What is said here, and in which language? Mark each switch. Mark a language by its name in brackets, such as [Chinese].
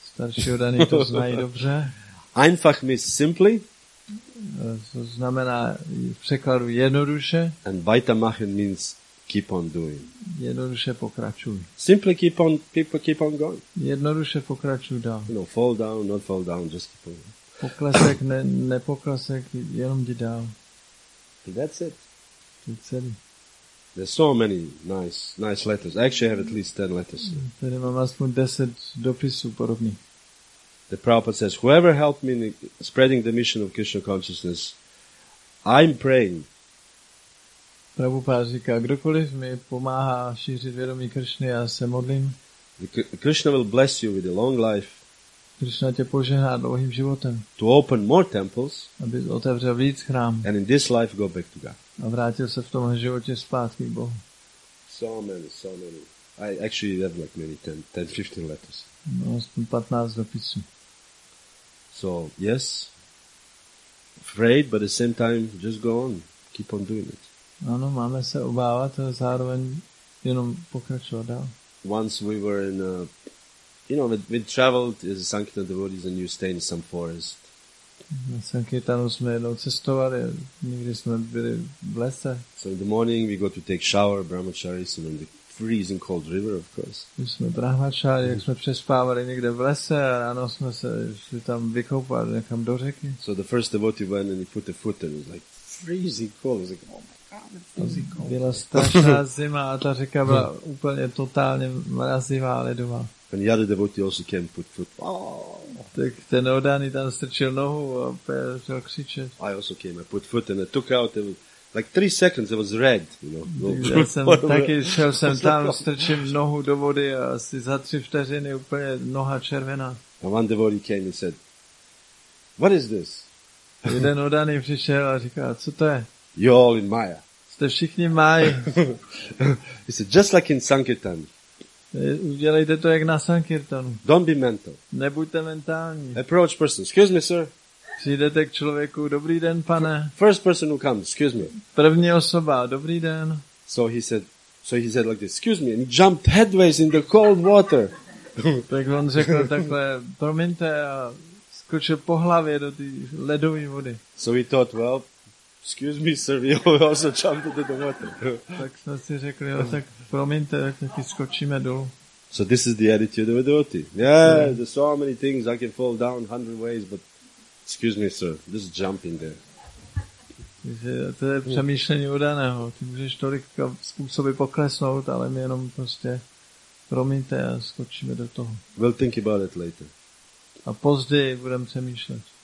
[Czech] Starší odaní to znají dobře. [English] Einfach means simply. [Czech] To znamená v překladu jednoduše. [English] And weitermachen means keep on doing. [Czech] Jednoduše pokračuj. [English] Simply keep on going. [Czech] Jednoduše pokračuj dál. [English] You know, fall down, not fall down, just keep on going. [Czech] Poklesek, nepoklesek, jenom jdi dál. [English] That's it. [Czech] To je celý. [English] There's so many nice letters. I actually have at least 10 letters. [Czech] Tady mám aspoň 10 dopisů podobných. [English] The Prabhupada says, whoever helped me in spreading the mission of Krishna consciousness, I'm praying. [Czech] Prabhupada říká, kdokoliv mi pomáhá šířit vědomí Krishny, já se modlím. [English] Krishna will bless you with a long life. [Czech] Krishna tě požehná dlouhým životem. [English] To open more temples. [Czech] Aby otevřel víc chrám. [English] And in this life go back to God. [Czech] A vrátil se v tom životě zpátky k Bohu. [English] So many. I actually have like maybe 10-15 letters. [Czech] No, aspoň 15 dopisů. [English] So, yes. Afraid, but at the same time, just go on. Keep on doing it. [Czech] Ano, máme se obávat, ale zároveň jenom pokračovat dál. [English] Once we were in a, you know, we traveled as a Sankirtan devotees and you stay in some forest. [Czech] Na Sankirtanu jsme jednou cestovali, nikdy jsme byli v lese. [English] So in the morning we go to take shower, brahmacharis, and in the freezing cold river, of course. [Czech] Jsme brahmacharis, jak jsme přespávali někde v lese a ráno jsme se šli tam vykoupali někam do řeky. [English] So the first devotee went and he put a foot and it was like freezing cold. It was like, oh my God, it's cold. [Czech] Byla strašná zima a ta řeka byla úplně totálně mrazivá a ledová. [English] And the other devotee also came put foot. [Czech] Tak ten odaný tam strčil nohu a začal křičet. [English] I also came, I put foot and I took out the, like 3 seconds, it was red. [Czech] Taky šel jsem tam, strčím nohu do vody a asi za 3 vteřiny úplně noha červená. [English] And one devotee came and said, what is this? [Czech] Jeden odaný přišel a říkal, co to je? [English] You're all in Maya. [Czech] Jste všichni Maya. [English] He said, just like in Sankirtan. [Czech] Udělejte to jak na Sankirtanu. [English] Don't be mental. [Czech] Nebuďte mentální. [English] Approach person. Excuse me, sir. [Czech] Přijdete k člověku. Dobrý den, pane. [English] First person who comes. Excuse me. [Czech] První osoba. Dobrý den. [English] So he said like this. Excuse me. And he jumped headways in the cold water. [Czech] Tak on řekl takhle. Promiňte a skočil po hlavě do té ledové vody. [English] So he thought, well, excuse me, sir, we also jumped into the water. [Czech] Tak jsme si řekli, jo, tak promiňte, taky skočíme dolů. [English] So this is the attitude of a devotee. Yeah, there's so many things I can fall down 100 ways, but excuse me, sir, just jump in there. [Czech] To je přemýšlení udaného. Ty můžeš tolik způsoby poklesnout, ale my jenom prostě promiňte a skočíme do toho. [English] We'll think about it later. [Czech] A později budeme přemýšlet.